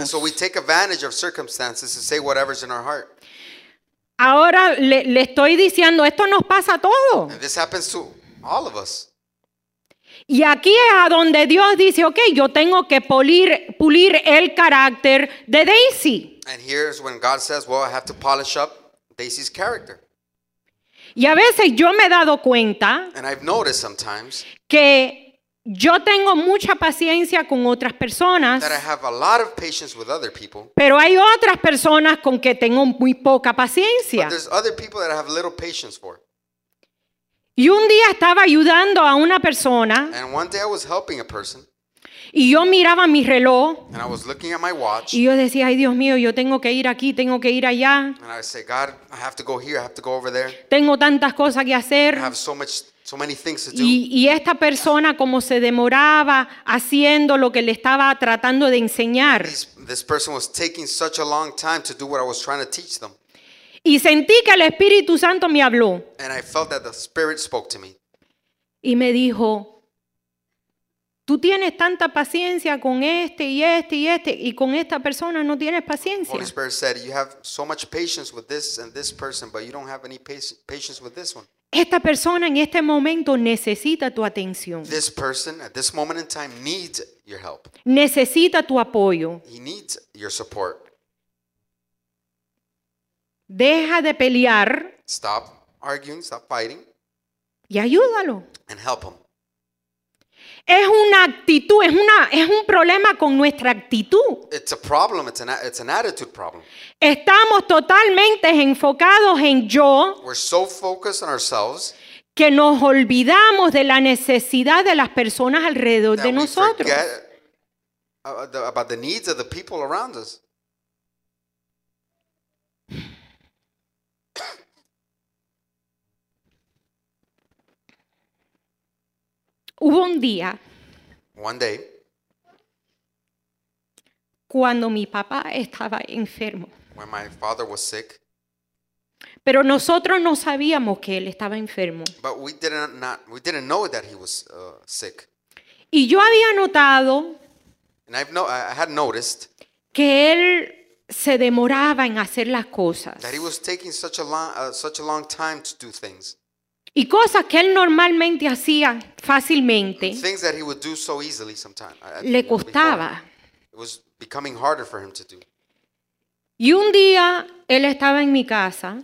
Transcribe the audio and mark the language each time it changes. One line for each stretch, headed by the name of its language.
English: And so we take advantage of circumstances to say whatever's in our heart.
Spanish: Ahora le estoy diciendo, esto nos pasa a todos.
English: And this happens to all of us.
Spanish: Y aquí es a donde Dios dice, okay, yo tengo que pulir el carácter de Daisy.
English: And here's when God says, well, I have to polish up Daisy's character.
Spanish: Y a veces yo me he dado cuenta.
English: And I've noticed sometimes.
Spanish: Que yo tengo mucha paciencia con otras personas.
English: That I have a lot of patience with other people.
Spanish: Pero hay otras personas con que tengo muy poca paciencia.
English: But there's other people that I have little patience for.
Spanish: Y un día estaba ayudando a una persona.
English: And one day I was helping a person.
Spanish: Y yo miraba mi reloj.
English: And I was looking at my watch.
Spanish: Y yo decía, ay Dios mío, yo tengo que ir aquí, tengo que ir allá.
English: And I say, God, I have to go here, I have to go over there.
Spanish: Tengo tantas cosas que hacer.
English: I have so many things to do.
Spanish: Y esta persona como se demoraba haciendo lo que le estaba tratando de enseñar.
English: This person was taking such a long time to do what I was trying to teach them.
Spanish: Y sentí que el Espíritu Santo me habló.
English: And I felt that the Spirit spoke to me.
Spanish: Y me dijo, tú tienes tanta paciencia con este y este y este, y con esta persona no tienes paciencia.
English: Holy Spirit said, you have so much patience with this and this person, but you don't have any patience with this one.
Spanish: Esta persona en este momento necesita tu atención.
English: This person at this moment in time needs your help.
Spanish: Necesita tu apoyo.
English: He needs your support.
Spanish: Deja de pelear.
English: Stop arguing, stop fighting.
Spanish: Y ayúdalo.
English: And help him.
Spanish: Es una actitud, es un problema con nuestra actitud.
English: It's a problem, it's an attitude problem.
Spanish: Estamos totalmente enfocados en yo.
English: We're so focused on ourselves.
Spanish: Que nos olvidamos de la necesidad de las personas alrededor de nosotros.
English: That we forget about the needs of the people around us.
Spanish: Hubo un día.
English: One day.
Spanish: Cuando mi papá estaba enfermo.
English: When my father was sick.
Spanish: Pero nosotros no sabíamos que él estaba enfermo.
English: But we didn't know that he was sick.
Spanish: Y yo había notado.
English: And I had noticed.
Spanish: Que él se demoraba en hacer las cosas.
English: That he was taking such a long time to do things.
Spanish: Y cosas que él normalmente hacía fácilmente.
English: Things that he would do so easily sometimes.
Spanish: Le costaba.
English: It was becoming harder for him to do.
Spanish: Y un día él estaba en mi casa.